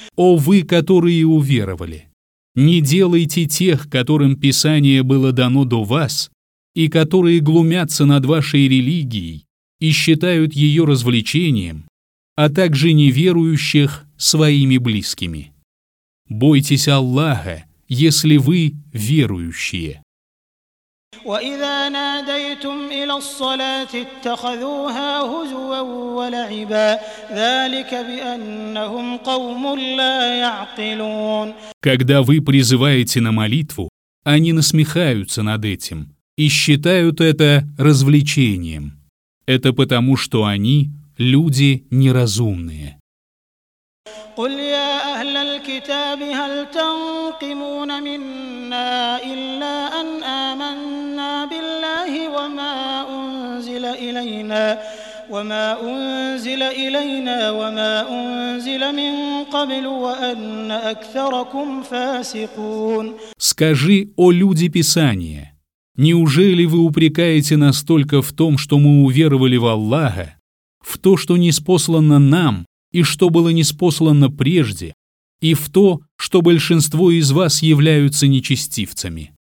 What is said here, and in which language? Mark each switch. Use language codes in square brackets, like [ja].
[ru] О вы, которые уверовали, не делайте тех, которым Писание было дано до вас, и которые глумятся над вашей религией и считают ее развлечением, а также неверующих своими близкими. Бойтесь Аллаха, если вы верующие. [ar] وإذا ناديتم إلى الصلاة اتخذوها هزوا ولعبا ذلك بأنهم قوم لا يعقلون. [ru] Когда вы призываете на молитву, они насмехаются над этим и считают это развлечением. Это потому, что они — люди неразумные. [ar] قل يا أهل الكتاب هل تنقمون منا إلا أن آمنا بالله وما أنزل إلينا وما أنزل إلينا وما أنزل من قبل وأن أكثركم فاسقون. [ru] Скажи, о люди Писания, неужели вы упрекаете нас только в том, что мы уверовали в Аллаха, в то, что ниспослано нам, и что было ниспослано прежде, и в то, что большинство из вас являются нечестивцами.